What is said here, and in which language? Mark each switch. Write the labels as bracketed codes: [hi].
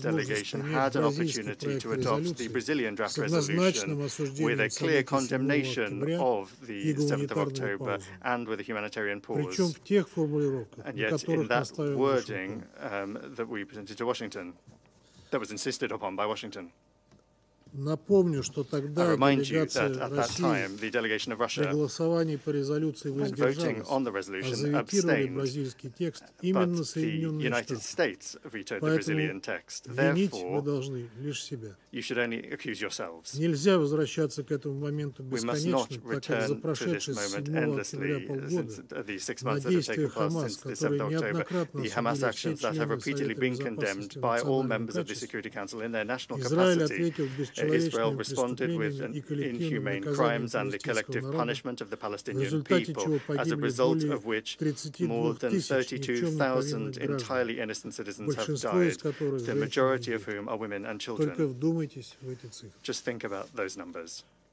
[en] delegation had an opportunity to adopt the Brazilian draft resolution with a clear condemnation of the 7th of October and with a humanitarian pause. And yet, in that wording that we presented to Washington, that was insisted upon by Washington. [ru] Напомню, что тогда делегация России при голосовании по резолюции воздержалась, а заветировали бразильский текст именно Соединенные Штаты. Поэтому винить вы должны лишь себя. Нельзя возвращаться к этому моменту бесконечно, так как за прошедшие 7 октября полгода на действия Хамас, которые неоднократно осудили все члены Совета Безопасности в качестве, Израиль ответил бесчеловечно. [en] Israel responded with inhumane crimes and the collective punishment of the Palestinian people, as a result of which more than 32,000 entirely innocent citizens have died, the majority of whom are women and children. Just think about those numbers.